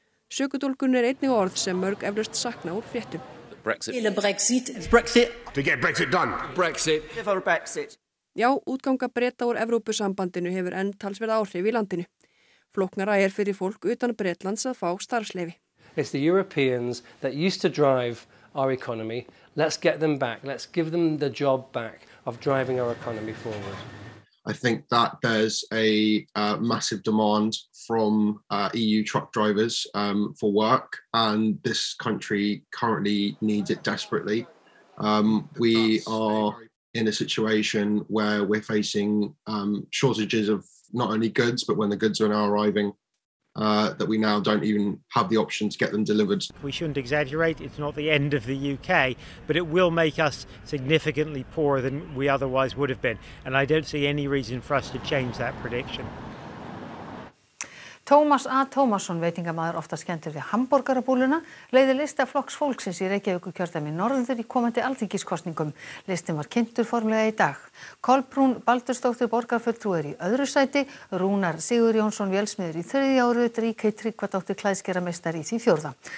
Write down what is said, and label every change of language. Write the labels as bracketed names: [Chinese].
[Icelandic] Sökudólkun er einnig orð sem mörg eflaust sakna úr fréttum. Brexit. Já, útganga Breta úr Evrópusambandinu hefur enn talsverð áhrif í landinu. Flóknara er fyrir fólk utan Bretlands að fá starfsleyfi. [English] It's the Europeans that used to drive our economy. Let's get them back. Let's give them the job back of driving our economy forward. I think that there's a massive demand from EU truck drivers for work and this country currently needs it desperately. We are in a situation where we're facing shortages of not only goods, but when the goods are now arriving, that we now don't even have the option to get them delivered. We shouldn't exaggerate, it's not the end of the UK, but it will make us significantly poorer than we otherwise would have been. And I don't see any reason for us to change that prediction. [Icelandic] Tómas A. Tómasson, veitingamaður oftast kenndur við hamborgarabúluna, leiði lista flokks fólksins í Reykjavíku kjördæmi norður í komandi alþingiskosningum. Listin var kynntur formlega í dag. Kolbrún Baldursdóttir borgarfulltrú er í öðru sæti, Rúnar Sigur Jónsson Vélsmiður í þriði áru, Ríkey Tryggvadóttir klæðskeramestari í því fjórða.